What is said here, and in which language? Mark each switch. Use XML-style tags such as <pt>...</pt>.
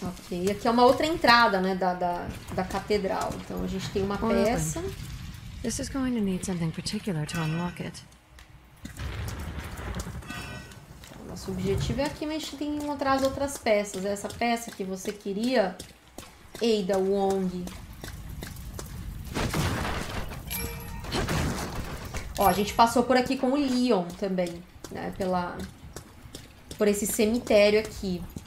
<pt>E aqui é uma outra entrada, né, da catedral. Então a gente tem uma peça.</pt> <en>This is going to need something particular to unlock it.</en> <pt>Nosso objetivo é aqui, mas a gente tem que encontrar as outras peças. Essa peça que você queria, Ada Wong. Ó, a gente passou por aqui com o Leon também, né, por esse cemitério aqui.</pt>